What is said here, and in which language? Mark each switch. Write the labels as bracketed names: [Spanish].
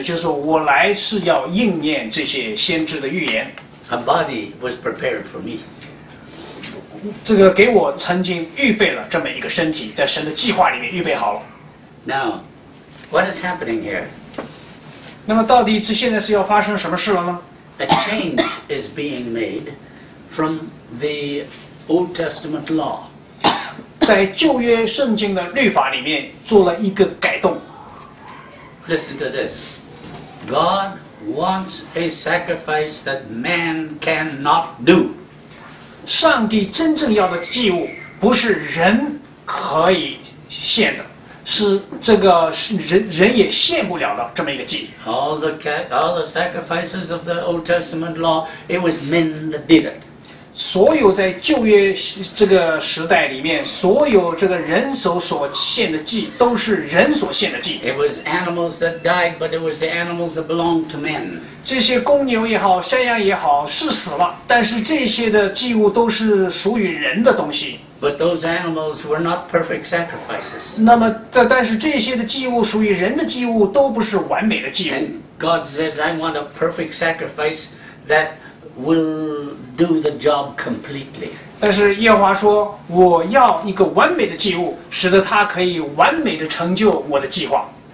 [Chinese] 就是我来是要应验这些先知的预言。 [English] A body was prepared for me. [Chinese] 这个给我曾经预备了这么一个身体，在神的计划里面预备好了。 [English] Now, what is happening here? [Chinese] 那么到底这现在是要发生什么事了呢？ [English] A change is being made from the Old Testament law. [Chinese] 在旧约圣经的律法里面做了一个改动。 [English] Listen to this. God. Wants a sacrifice that man cannot do. [Chinese] 上帝真正要的祭物不是人可以献的，是这个人也献不了的这么一个祭。 [English] All the sacrifices of the Old Testament law, it was men that did it. [Chinese] 所有在旧约这个时代里面，所有这个人手所献的祭都是人所献的祭。 [English] It was animals that died, but it was the animals that belonged to men. [Chinese] 这些公牛也好，山羊也好，是死了，但是这些的祭物都是属于人的东西。 [English] But those animals were not perfect sacrifices. [Chinese] 那么，但是这些的祭物属于人的祭物都不是完美的祭物。 [English] And God says, "I want a perfect sacrifice that." Will do the job completely. [Chinese] 但是耶和华说，我要一个完美的祭物，使得他可以完美的成就我的计划。